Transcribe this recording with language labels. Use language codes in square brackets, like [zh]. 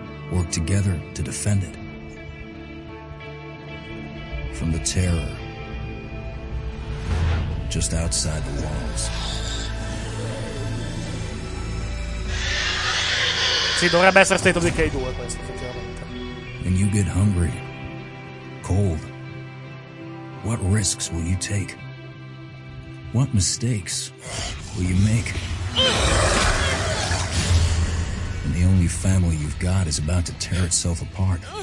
[en] Work together to defend it from the terror just outside the walls. [it] Sì, dovrebbe essere State of Decay 2 questo, effettivamente. [en] When you get hungry, cold, what risks will you take? What mistakes will you make? And the only family you've got is about to tear itself apart.